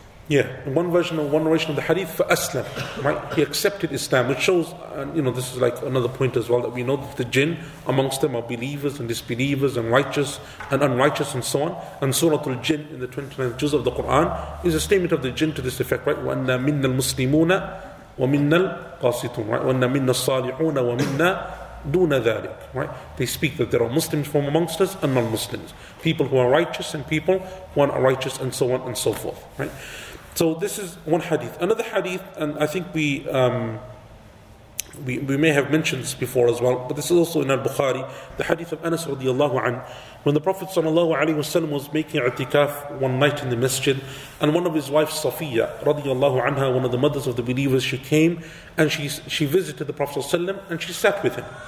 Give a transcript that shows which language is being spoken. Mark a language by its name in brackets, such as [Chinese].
[English] Yeah, in one version of the hadith, for Aslam, right? He accepted Islam, which shows, and you know, this is like another point as well, that we know that the jinn amongst them are believers and disbelievers and righteous and unrighteous and so on. And Suratul Jinn in the 29th juz of the Quran is a statement of the jinn to this effect, right? [Arabic] وَأَنَّ مِنَّ الْمُسْلِمُونَ وَمِنَّ الْقَاسِطُونَ [English] right? [Arabic] وَأَنَّ مِنَّ الصَّالِحُونَ وَمِنَّ دُونَ ذَلِكَ [English] right? They speak that there are Muslims from amongst us and non-Muslims. People who are righteous and people who are unrighteous and so on and so forth. Right? So this is one hadith. Another hadith, and I think we may have mentioned this before as well, but this is also in Al-Bukhari, the hadith of Anas radiallahu anhu, when the Prophet sallallahu alayhi wasallam was making i'tikaf one night in the masjid, and one of his wives, Safiya radiallahu anha, one of the mothers of the believers, she came and she visited the Prophet sallallahu alayhi wasallam and she sat with him.